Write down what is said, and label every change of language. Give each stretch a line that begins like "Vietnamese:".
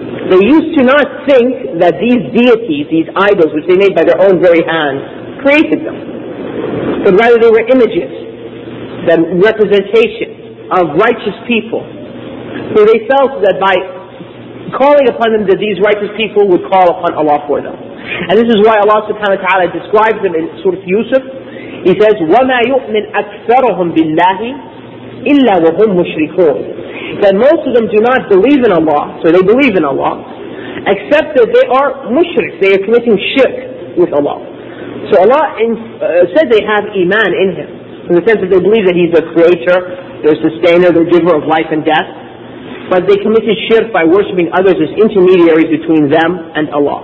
English: They used to not think that these deities, these idols which they made by their own very hands, created them. But rather they were images, the representation of righteous people. So they felt that by calling upon them that these righteous people would call upon Allah for them. And this is why Allah subhanahu wa ta'ala describes them in Surah Yusuf.
Arabic: He says, وَمَا يُؤْمِنْ أَكْثَرُهُمْ بِاللَّهِ إِلَّا وَهُمْ مُشْرِكُونَ.
English: That most of them do not believe in Allah, so they believe in Allah, except that they are mushriks, they are committing shirk with Allah. So Allah said they have iman in Him, in the sense that they believe that He's their creator, their sustainer, their giver of life and death, but they committed shirk by worshipping others as intermediaries between them and Allah.